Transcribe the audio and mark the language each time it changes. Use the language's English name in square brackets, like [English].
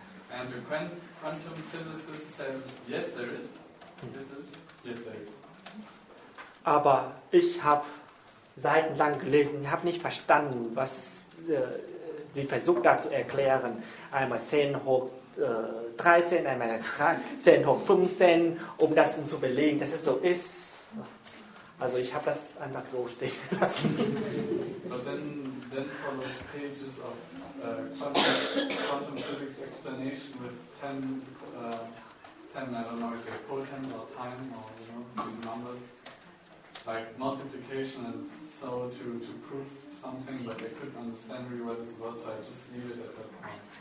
[English] And the quantum physicist says, yes, there is. Is it? Yes, there is. [German] Aber ich habe seitenlang gelesen, ich habe nicht verstanden, was sie versucht da zu erklären. Einmal 10 hoch 13, einmal 10 hoch 15, um das zu belegen, dass es so ist. Also ich habe das einfach so stehen lassen. [English] But then follows pages of quantum physics explanation with 10, I don't know, is it quotient or time or, you know, these numbers. Like multiplication and so to prove something, but they couldn't understand really what it's about, so I just leave it at that point.